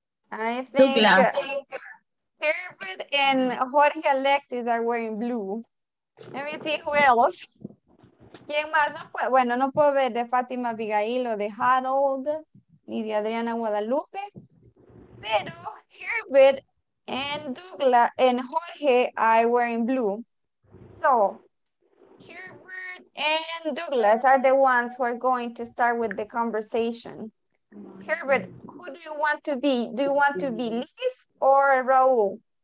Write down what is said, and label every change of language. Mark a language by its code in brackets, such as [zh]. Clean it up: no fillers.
[en] I think Herbert and Jorge Alexis are wearing blue. Let me see who else. [es] ¿Quién más? No puede, bueno, no puedo ver de Fátima Abigail o de Harold ni de Adriana Guadalupe. [en] Pero Herbert and Douglas and Jorge are wearing blue. So, Herbert and Douglas are the ones who are going to start with the conversation. Herbert, who do you want to be? Do you want to be Liz or Raul?